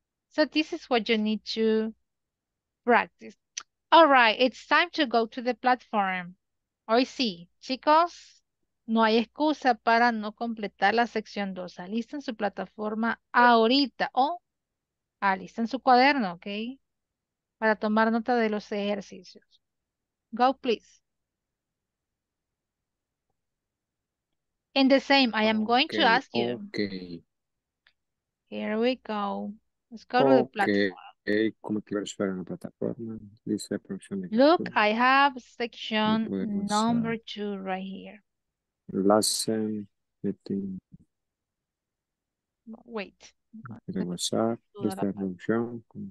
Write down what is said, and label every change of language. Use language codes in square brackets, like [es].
[en] So this is what you need to practice. All right. It's time to go to the platform. [es] Hoy sí. Chicos, no hay excusa para no completar la sección 2. Alisten su plataforma ahorita o alisten su cuaderno, ¿ok? Para tomar nota de los ejercicios. [en] Go, please. In the same, I am going to ask you. Okay. Here we go. Let's go to the platform. [es] Okay, ¿cómo que vas a ver en la plataforma? Dice la producción de... [en] Look, I have section number 2 right here. Lesson, meeting. Wait. [es] De WhatsApp, dice la producción.